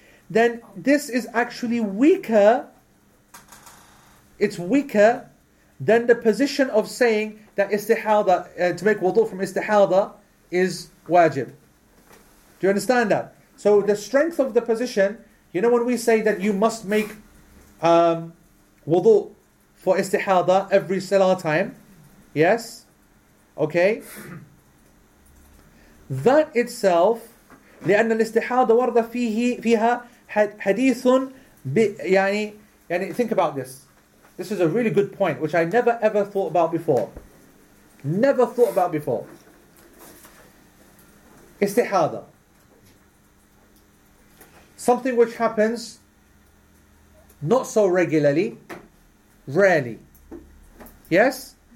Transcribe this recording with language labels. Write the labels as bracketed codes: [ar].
[en] then this is actually weaker. It's weaker than the position of saying that istihada, to make wudu from istihada, is wajib. Do you understand that? So the strength of the position, you know, when we say that you must make wudu for istihada every salah time, yes? Okay? That itself, [ar] لأن الاستحاضة ورد فيه فيها حديث يعني, يعني [en] think about this. This is a really good point which I never ever thought about before. Never thought about before. [ar] استحاضة. [en] Something which happens not so regularly, rarely. Yes?